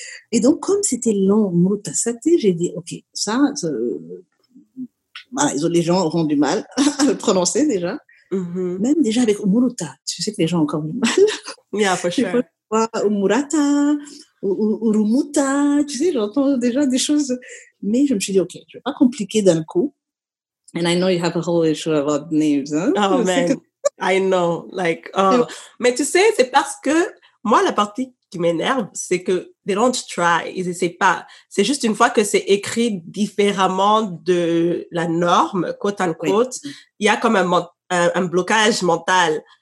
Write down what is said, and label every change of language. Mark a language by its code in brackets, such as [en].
[fr] Et donc, comme c'était long, Muruta Sate, j'ai dit, OK, ça, voilà, les gens auront du mal à le prononcer déjà. Mm-hmm. Même déjà avec Muruta, tu sais que les gens ont encore du mal. [en] Yeah, for sure. [fr] Umurata, Urumuta, tu sais, j'entends déjà des choses. Mais je me suis dit, OK, je ne vais pas compliquer d'un coup. [en] And I know you have a whole issue about names. Hein? Oh, man, I know. [fr] Like, mais tu sais, c'est parce que moi, la partie qui m'énerve, c'est que [en] they don't try, [fr] ils n'essaient pas. C'est juste une fois que c'est écrit différemment de la norme, quote unquote, il y a comme un blocage mental.